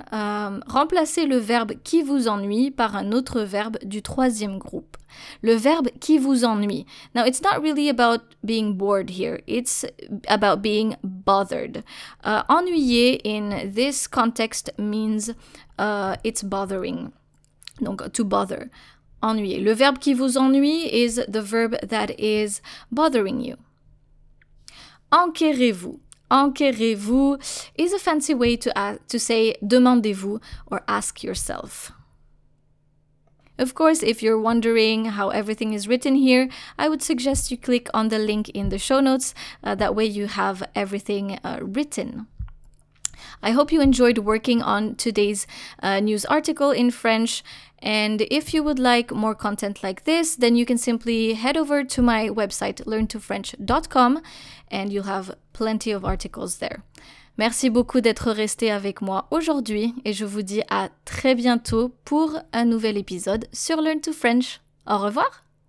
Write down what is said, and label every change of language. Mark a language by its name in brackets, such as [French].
[French] Remplacez le verbe qui vous ennuie par un autre verbe du troisième groupe. Le verbe qui vous ennuie. [English] Now, it's not really about being bored here. It's about being bothered. Ennuyé in this context means it's bothering. Donc, to bother. Ennuyé. [French] Le verbe qui vous ennuie [English] is the verb that is bothering you. [French] Enquérez-vous. Enquérez-vous [English] is a fancy way to say [French] demandez-vous [English] or ask yourself. Of course, if you're wondering how everything is written here, I would suggest you click on the link in the show notes. That way you have everything written. I hope you enjoyed working on today's news article in French. And if you would like more content like this, then you can simply head over to my website, learntofrench.com, and you'll have plenty of articles there. [French] Merci beaucoup d'être resté avec moi aujourd'hui et je vous dis à très bientôt pour un nouvel épisode sur Learn to French. Au revoir!